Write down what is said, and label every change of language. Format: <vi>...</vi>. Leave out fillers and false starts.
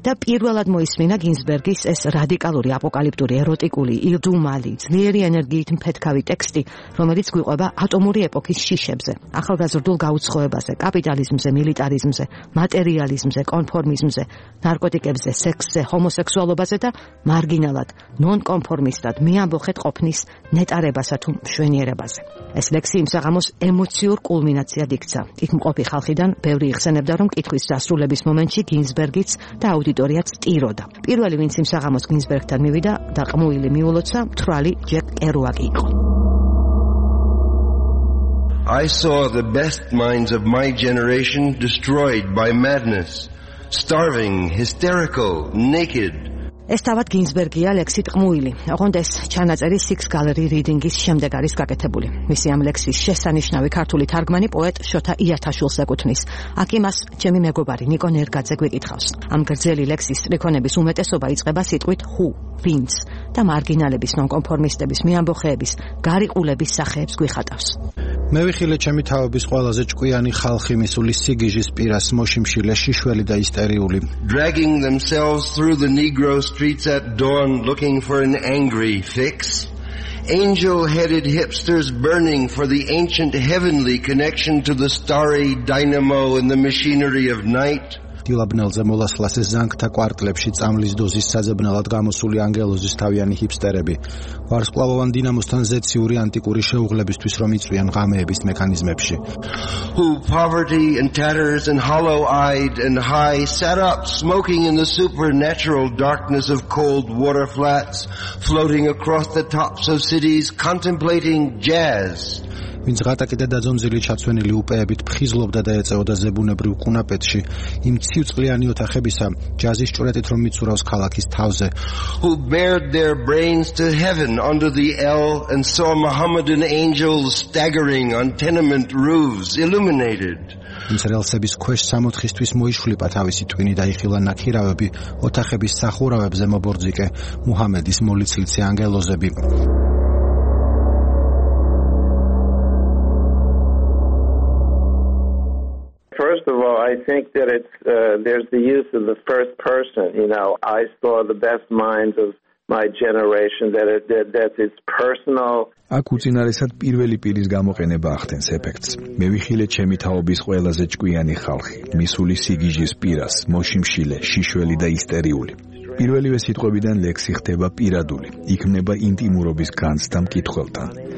<ka>და პირველად მოისმინა გინსბერგის ეს რადიკალური აპოკალიპტური ეროტიკული ირდუმალი ძლიერი ენერგიით მფეთქავი ტექსტი, რომელიც გვიყვება ატომური ეპოქის შიშებზე, ახალგაზრდულ გაუცხოებაზე, კაპიტალიზმზე, მილიტარიზმზე, მატერიალიზმზე, კონფორმიზმზე, ნარკოტიკებზე, სექსზე, ჰომოსექსუალობაზე და მარგინალად, ნონკონფორმისტად მიამბოხეთ ყოფნის ნეტარებასა თუ მშვენიერებაზე. ეს ლექსი იმ საღამოს ემოციურ კულმინაციად იქცა. იქ მყოფი ხალხიდან ბევრი იხსენებდა, რომ კითხვის დასრულების მომენტში გინსბერგიც და აუდიტორიაც ტიროდა. პირველი, ვინც იმ საღამოს გინსბერგთან მივიდა და ყმუილი მიულოცა, მთვრალი ჯეკ კერუაკი იყო.</ka> <en>I saw the best minds of my generation destroyed by madness, starving, hysterical, naked.</en> <ka>ეს თავად გინსბერგია ლექსი ტყმუილი. ოღონდ ეს ჩანაწერი Six Gallery Reading-ის შემდეგ არის გაკეთებული. მისი ამ ლექსის შესანიშნავი ქართული თარგმანი პოეტ შოთა იათაშვილს ეკუთვნის. აქ იმას ჩემი მეგობარი ნიკო ნერგაძე გვიკითხავს. ამ გრძელი ლექსის სტრიქონების უმეტესობა იწყება სიტყვით ჰუ, ვინც და მარგინალების, ნონკონფორმისტების, მიამბოხეების, გარიყულების სახეებს გვიხატავს. მე ვიხილე ჩემი თაობის ყველაზე ჭკვიანი ხალხი, მისული სიგიჟის პირას, მოშიმშილე, შიშველი და ისტერიული.</ka> <en>Dragging themselves through the negro streets at dawn looking for an angry fix. Angel-headed hipsters burning for the ancient heavenly connection to the starry dynamo in the machinery of night.</en> <ka>დილაბნელზე მოლასლას ეს ზანგთა კვარტლებში წამლის დოზის საძებნელად გამოსული ანგელოზის თავიანი ჰიპსტერები, ვარსკვლავოვან დინამოსთან ზეციური ანტიკური შეუღლებისთვის რომ იწვიან ღამეების მექანიზმებში.</ka> <en>Who poverty and tatters and hollow-eyed and high sat up smoking in the supernatural darkness of cold water flats floating across the tops of cities contemplating jazz.</en> <ka>ვინც რატაკი და დაძონძილი ჩაცვენილი უპეებით ფხიზლობდა და ეწეოდა ზებუნებრივ ყუნაპეთში იმ ციუწყლიანი ოთახებისა ჯაზის ჭრეტით რომ მიცურავს ქალაქის თავზე.</ka> <en>Who bared their brains to heaven under the L and saw Mohammedan angels staggering on tenement roofs illuminated.</en> <ka>ვინც რელსების ქვეშ 60-ისთვის მოიშვლიპა თავისი ტვინი და იხილა ნაქირავები ოთახების სახურავებზე მობორძიკე მუჰამედის მოლიცილი ანგელოზები.</ka> <en>I think that there's the use of the first person, you know, I saw the best minds of my generation that it's personal.</en> <ka>აქ უწინარესად პირველი პირის გამოყენება ახდენს ეფექტს. მე ვიხილე ჩემი თაობის ყველაზე ჭკვიანი ხალხი, მისული სიგიჟის პირას, მოშიმშილე, შიშველი და ისტერიული. პირველივე სიტყვებიდან ლექსი ხდება პირადული, იქმნება ინტიმურობის განცდა მკითხველთან.</ka>